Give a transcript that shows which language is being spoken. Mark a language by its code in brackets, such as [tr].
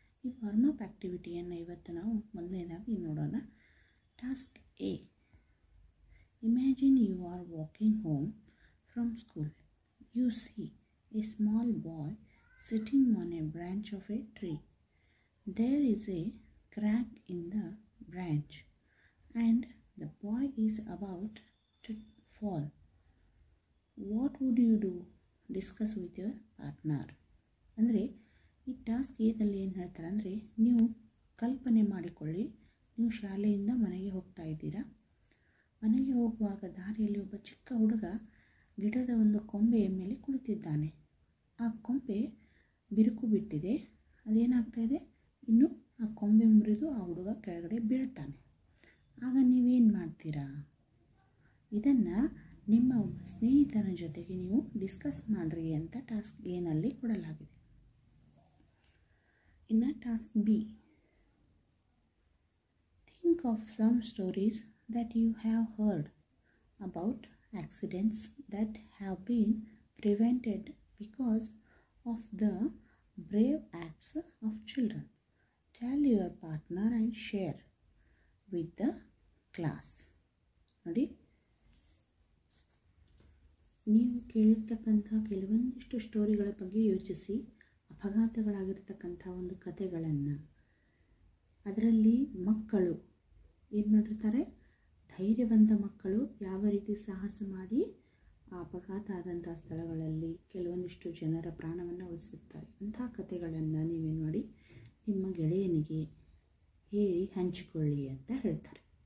[kn] ಈ ವಾರ್ಮಪ್ ಆಕ್ಟಿವಿಟಿಯನ್ನು ಇವತ್ತು ನಾವು ಮೊದಲನೇದಾಗಿ ನೋಡೋಣ. [en] Task A, imagine you are walking home from school. You see a small boy sitting on a branch of a tree. There is a crack in the branch and the boy is about to fall. What would you do? Discuss with your partner. [kn] ಅಂದರೆ ಈ task ಏನಲ್ಲಿ ಏನು ಹೇಳ್ತಾರೆ ಅಂದರೆ, ನೀವು ಕಲ್ಪನೆ ಮಾಡಿಕೊಳ್ಳಿ, ನೀವು ಶಾಲೆಯಿಂದ ಮನೆಗೆ ಹೋಗ್ತಾ ಇದ್ದೀರಾ. ಮನೆಗೆ ಹೋಗುವಾಗ ದಾರಿಯಲ್ಲಿ ಒಬ್ಬ ಚಿಕ್ಕ ಹುಡುಗ ಗಿಡದ ಒಂದು ಕೊಂಬೆಯ ಮೇಲೆ ಕುಳಿತಿದ್ದಾನೆ. ಆ ಕೊಂಬೆ ಬಿರುಕು ಬಿಟ್ಟಿದೆ. ಅದೇನಾಗ್ತಾ ಇದೆ, ಇನ್ನು ಆ ಕೊಂಬೆ ಮುರಿದು ಆ ಹುಡುಗ ಕೆಳಗಡೆ ಬೀಳ್ತಾನೆ. ಆಗ ನೀವೇನು ಮಾಡ್ತೀರಾ? ಇದನ್ನು ನಿಮ್ಮ ಒಬ್ಬ ಸ್ನೇಹಿತನ ಜೊತೆಗೆ ನೀವು ಡಿಸ್ಕಸ್ ಮಾಡ್ರಿ ಅಂತ ಟಾಸ್ಕ್ ಎನಲ್ಲಿ ಕೊಡಲಾಗಿದೆ. [en] ಇನ್ನು task B, think of some stories that you have heard about accidents that have been prevented because of the brave acts of children. Tell your partner and share with the class. [kn] ನೋಡಿ, ನೀವು ಕೇಳಿರ್ತಕ್ಕಂಥ ಕೆಲವೊಂದಿಷ್ಟು ಸ್ಟೋರಿಗಳ ಬಗ್ಗೆ ಯೋಚಿಸಿ. ಅಪಘಾತಗಳಾಗಿರ್ತಕ್ಕಂಥ ಒಂದು ಕಥೆಗಳನ್ನು, ಅದರಲ್ಲಿ ಮಕ್ಕಳು ಏನು ಮಾಡಿರ್ತಾರೆ, ಧೈರ್ಯವಂತ ಮಕ್ಕಳು ಯಾವ ರೀತಿ ಸಾಹಸ ಮಾಡಿ ಆ ಅಪಘಾತ ಆದಂಥ ಸ್ಥಳಗಳಲ್ಲಿ ಕೆಲವೊಂದಿಷ್ಟು ಜನರ ಪ್ರಾಣವನ್ನು ಉಳಿಸುತ್ತಾರೆ ಅಂಥ ಕಥೆಗಳನ್ನು ನೀವೇನು ಮಾಡಿ, ನಿಮ್ಮ ಗೆಳೆಯನಿಗೆ ಹೇಳಿ ಹಂಚಿಕೊಳ್ಳಿ ಅಂತ ಹೇಳ್ತಾರೆ.